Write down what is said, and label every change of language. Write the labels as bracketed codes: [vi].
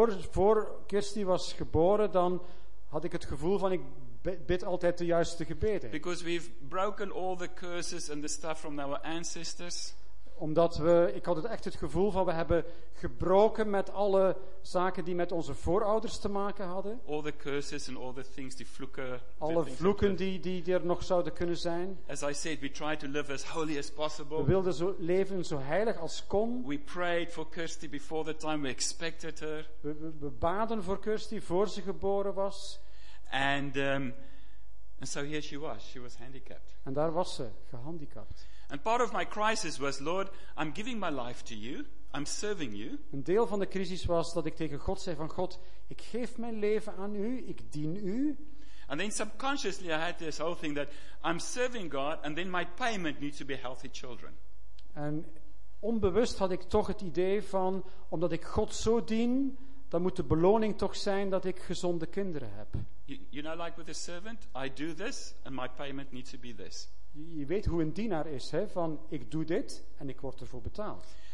[nl] Voor Kirsty was geboren, dan had ik het gevoel van, ik bid altijd de juiste gebeden. [en] Because we've broken all the curses and the stuff from our ancestors. [nl] Omdat we, ik had het echt het gevoel van, we hebben gebroken met alle zaken die met onze voorouders te maken hadden. [en] All the curses and all the things, [nl] die vloeken. Alle vloeken die er nog zouden kunnen zijn. [en] As I said, we tried to live as holy as possible. [nl] We wilden zo leven zo heilig als kon. [en] We prayed for Kirsty before the time we expected her. [nl] We baden voor Kirsty voor ze geboren was. [en] And so here she was handicapped. [nl] En daar was ze, gehandicapt. [en] And part of my crisis was, Lord, I'm giving my life to you. I'm serving you. [nl] Een deel van de crisis was dat ik tegen God zei van, God, ik geef mijn leven aan u, ik dien u. [en] And then subconsciously I had this whole thing that I'm serving God and then my payment needs to be healthy children. [nl] En onbewust had ik toch het idee van, omdat ik God zo dien, dan moet de beloning toch zijn dat ik gezonde kinderen heb. [en] You know, like with a servant, I do this and my payment needs to be this. [nl] Je weet hoe een dienaar is, hè? Van ik doe dit en ik word ervoor betaald.